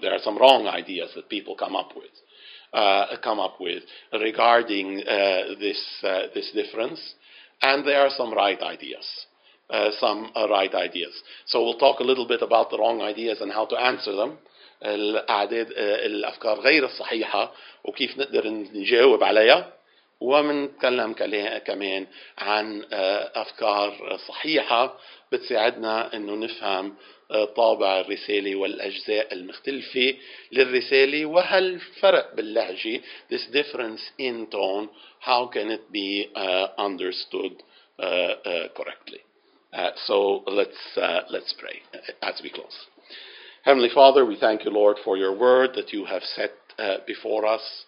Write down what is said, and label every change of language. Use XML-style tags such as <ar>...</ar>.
<en>There are some wrong ideas that people come up with regarding this difference, and there are some right ideas. So we'll talk a little bit about the wrong ideas and how to answer them.</en> <ar>الأعداد الأفكار غير الصحيحة وكيف نقدر نجاوب عليها. ومنتكلم كمان عن أفكار صحيحة بتساعدنا إنه نفهم طابع الرسالة والأجزاء المختلفة للرسالة وهل فرق باللهجة.</ar> <en>This difference in tone, how can it be understood correctly? So let's pray as we close. Heavenly Father, we thank you, Lord, for your word that you have set before us.</en>